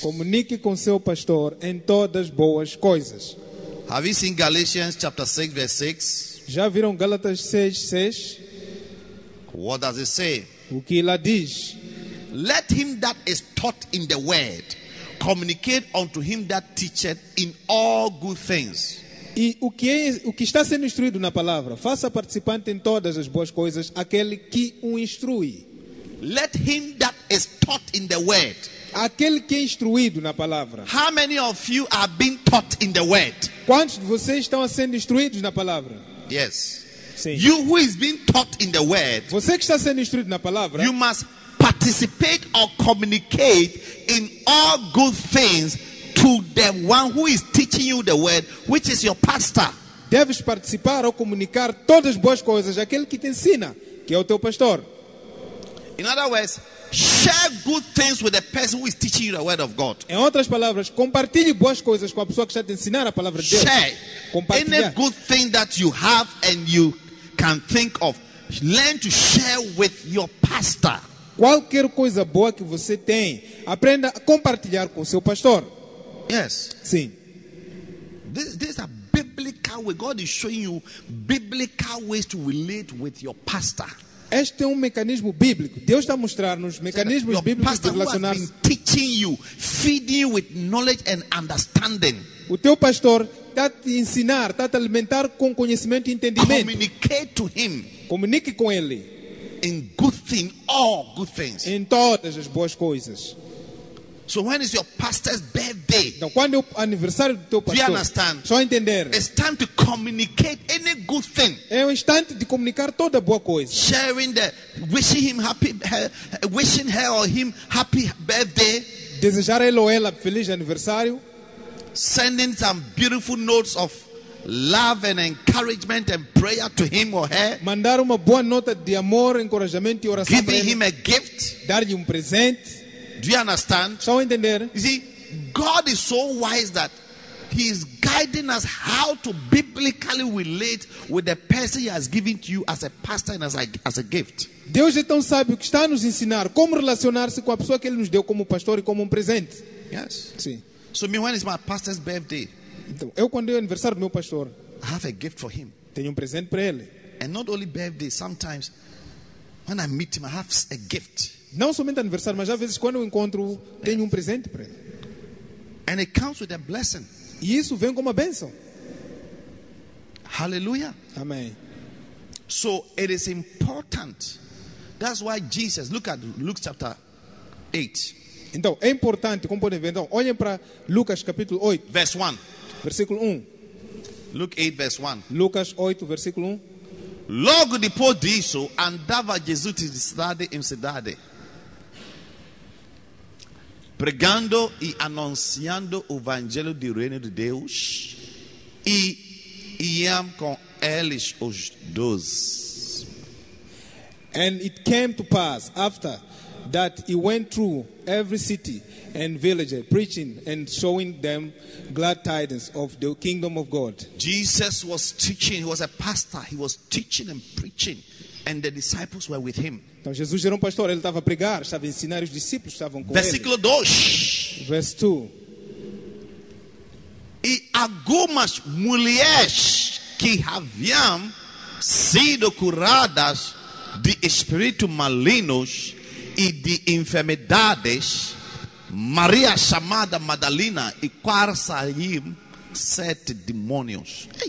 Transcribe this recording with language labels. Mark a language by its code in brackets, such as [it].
[pt] Comunique com seu pastor em todas boas coisas. [en] Have you seen Galatians chapter 6 verse 6? [pt] Já viram Gálatas 6 [en] verse [pt] 6? [en] What does it say? [pt] O que ele diz? [en] Let him that is taught in the word communicate unto him that teacheth in all good things. [pt] E o que está sendo instruído na palavra, faça participante em todas as boas coisas aquele que o instrui. [en] Let him that is taught in the word. [pt] Aquele que é instruído na palavra. [en] How many of you are being taught in the word? [pt] Quantos de vocês estão sendo instruídos na palavra? [en] Yes. [pt] Sim. [en] You who is being taught in the word. [pt] Você que está sendo instruído na palavra. [en] You must participate or communicate in all good things to the one who is teaching you the word, which is your pastor. [pt] Deves participar ou comunicar todas as boas coisas àquele que te ensina, que é o teu pastor. [en] In other words, share good things with the person who is teaching you the word of God. [pt] Em outras palavras, compartilhe boas coisas com a pessoa que está te ensinar a palavra de Deus. [en] Share. [pt] Compartilhe. [en] Any good thing that you have and you can think of, learn to share with your pastor. [pt] Qualquer coisa boa que você tem, aprenda a compartilhar com o seu pastor. [en] Yes. [pt] Sim. [en] This is a biblical way. God is showing you biblical ways to relate with your pastor. [pt] Este é um mecanismo bíblico. Deus está mostrando-nos mecanismos bíblicos de relacionar. [en] Teaching you, feeding you with knowledge and understanding. [pt] O teu pastor está te ensinar, está te alimentar com conhecimento e entendimento. [en] Communicate to him. [pt] Comunique com ele. [en] In good things, all good things. [pt] Em todas as boas coisas. [en] So when is your pastor's birthday? [pt] Então quando é o aniversário do teu pastor? [en] Do you understand? [pt] Só entender. [en] It's time to communicate any good thing. [pt] É o instante de comunicar toda boa coisa. [en] Sharing the wishing him happy, wishing her or him happy birthday. [pt] Desejar a ele ou ela feliz aniversário. [en] Sending some beautiful notes of love and encouragement and prayer to him or her. [pt] Mandar uma boa nota de amor, encorajamento e oração. [en] Giving him a gift. [pt] Dar-lhe presente. [en] Do you understand? [pt] Só entender. [en] You see, God is so wise that he is guiding us how to biblically relate with the person he has given to you as a pastor and as a gift. [pt] Deus é tão sábio que está a nos ensinar como relacionar-se com a pessoa que ele nos deu como pastor e como presente. [en] Yes. [pt] Sim. [en] So me, when is my pastor's birthday? [pt] Então, eu quando é o aniversário do meu pastor. [en] I have a gift for him. [pt] Tenho presente para ele. [en] And not only birthday, sometimes when I meet him, I have a gift. [pt] Não somente aniversário, mas às vezes quando eu encontro, tenho presente para ele. [en] And it comes with a blessing. [pt] E isso vem com uma bênção. [en] Hallelujah. [pt] Amém. [en] So it is important. That's why Jesus, look at Luke chapter 8. [pt] Então, é importante, como podem ver, então, olhem para Lucas capítulo 8. [en] Verse 1. [pt] Versículo 1. [en] Luke 8, verse 1. [pt] Lucas 8, versículo 1. Logo depois disso, andava Jesus de cidade em cidade, pregando e anunciando o evangelho do reino de Deus, e ia com eles os doze. [en] And it came to pass after that he went through every city and village preaching and showing them glad tidings of the kingdom of God. Jesus was teaching, he was a pastor, he was teaching and preaching, and the disciples were with him. [pt] Então Jesus era pastor, ele estava a pregar, estava a ensinar, os discípulos estavam com ele. Versículo 2. [en] Verse 2. [pt] E a algumas mulheres que haviam sido curadas de espíritos malignos e de enfermidades, Maria chamada Madalena e quais saíram sete demônios.